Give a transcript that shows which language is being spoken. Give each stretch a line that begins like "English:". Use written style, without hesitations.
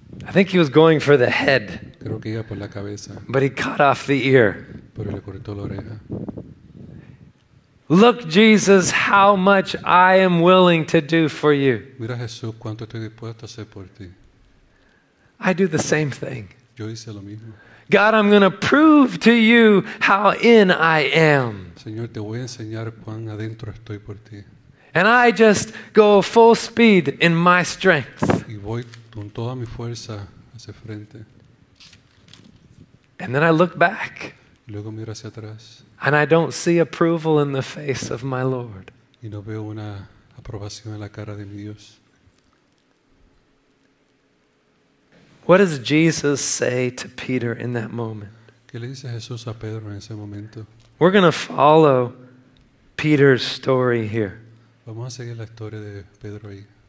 English: I think he was going for the head.
Spanish: Creo que iba por la cabeza.
English: But he cut off the ear.
Spanish: Pero le cortó la oreja.
English: Look, Jesus, how much I am willing to do for you.
Spanish: Mira, Jesús, cuánto estoy dispuesto a hacer por ti.
English: I do the same thing.
Spanish: Yo hice lo mismo.
English: God, I'm going to prove to you how in I am.
Spanish: Señor, te voy a enseñar cuán adentro estoy por ti.
English: And I just go full speed in my strength.
Spanish: Y voy con toda mi fuerza hacia frente.
English: And then I look back.
Spanish: Y luego miro hacia atrás.
English: And I don't see approval in the face of my Lord.
Spanish: Y no veo una aprobación en la cara de mi Dios.
English: What does Jesus say to Peter in that moment?
Spanish: ¿Qué le dice Jesús a Pedro en ese momento?
English: We're going to follow Peter's story here.
Spanish: Vamos a seguir la historia de Pedro ahí.